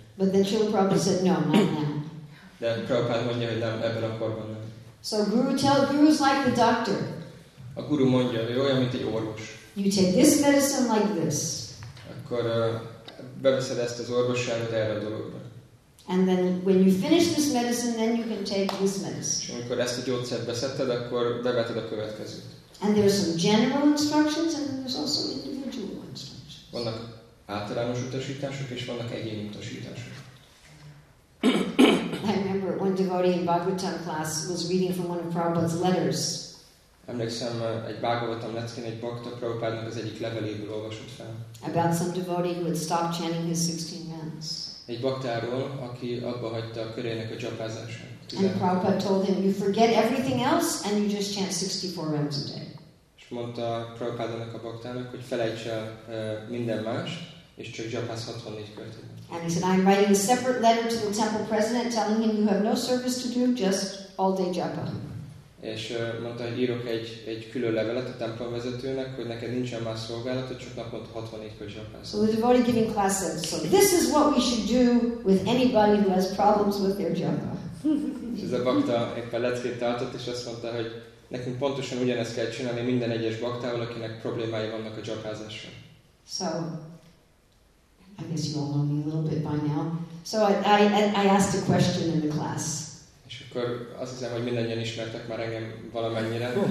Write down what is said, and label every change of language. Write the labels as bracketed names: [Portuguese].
[English] But then Srila Prabhupada said, no, not now. [Hungarian] De Prabhupád mondja, hogy nem, ebben a korban nem. [English] So guru tell, guru is like the doctor. [Hungarian] A guru mondja, hogy olyan, mint egy orvos. [English] You take this medicine like this. [Hungarian] Akkor beveszed ezt az orvosságot erre a dologba. [English] And then when you finish this medicine, then you can take this medicine. [Hungarian] És amikor ezt a gyógyszert beszedted, akkor beveted a következőt. [English] And there are some general instructions and there's also individual instructions. [Hungarian] Vannak általános utasítások és vannak egyéni utasítások. [English] I remember one devotee in Bhagavatam class was reading from one of Prabhupada's letters. [Hungarian] Emlékszem, egy Bhagavatam leckén egy bhakta Prabhupádnak az egyik leveléből olvasott fel. [English] About some devotee who had stopped chanting his 16 mantras. [Hungarian] Egy bhaktáról, aki abba hagyta a körének a japázását. [English] And Prabhupada told him, you forget everything else and you just chant 64 rounds a day. [Hungarian] És mondta Prabhupádnak a bhaktának, hogy felejts el minden más, és csak japázz 64 kört. [English] And he said, I'm writing a separate letter to the temple president telling him you have no service to do, just all day japa. [Hungarian] És mondta, hogy írok egy külön levelet a templom vezetőnek, hogy neked nincsen más szolgálat, csak naponta 64-kor japázz. [English] So the devotee giving class said, so this is what we should do with anybody who has problems with their japa. [Hungarian] És a bakta éppen leckét tartott, és azt mondta, hogy nekünk pontosan ugyanezt kell csinálni minden egyes baktával, akinek problémái vannak a japázással. [English] So I guess you all know me a little bit by now. So I asked a question in the class. [Hungarian] És akkor azt hiszem, hogy mindannyian ismertek már engem valamennyire.